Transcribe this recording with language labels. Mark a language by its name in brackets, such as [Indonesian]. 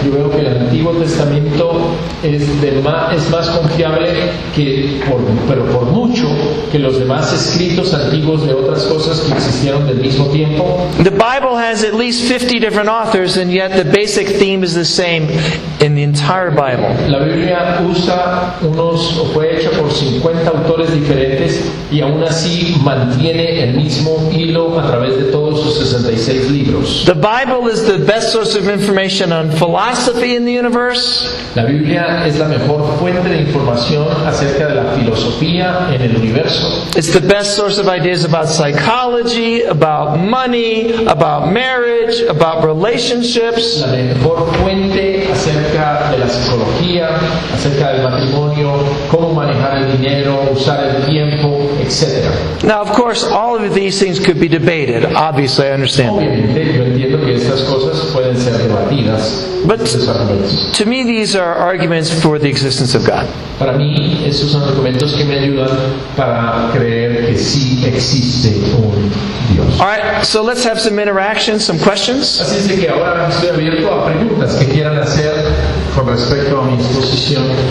[Spanish] Yo veo que el Antiguo Testamento es más confiable que por mucho que los demás escritos antiguos de otras cosas que existieron del mismo tiempo. [English] The Bible has at least 50 different authors, and yet the basic theme is the same in the entire Bible. [Spanish] La Biblia usa unos o fue hecha por 50 autores diferentes y aún así mantiene el mismo hilo a través de todos sus 66 libros. [English] The Bible is the best source of information on philosophy in the universe. [Spanish] La Biblia es la mejor fuente de información acerca de la filosofía en el universo. [English] It's the best source of ideas about psychology, about money, about marriage, about relationships. [Spanish] La mejor fuente acerca de la psicología, acerca del matrimonio, cómo manejar el dinero, usar el tiempo, etc. [English] Now, of course, all of these things could be debated. Obviously, I understand. [Spanish] Obviamente, yo entiendo que estas cosas pueden ser debatidas. [English] But to me, these are arguments for the existence of God. [Spanish] Para mí, esos son argumentos que me ayudan para creer que sí existe un Dios. [English] All right, so let's have some interaction, some questions. [Spanish] Así es que ahora estoy abierto a preguntas que quieran hacer con respecto a mi exposición.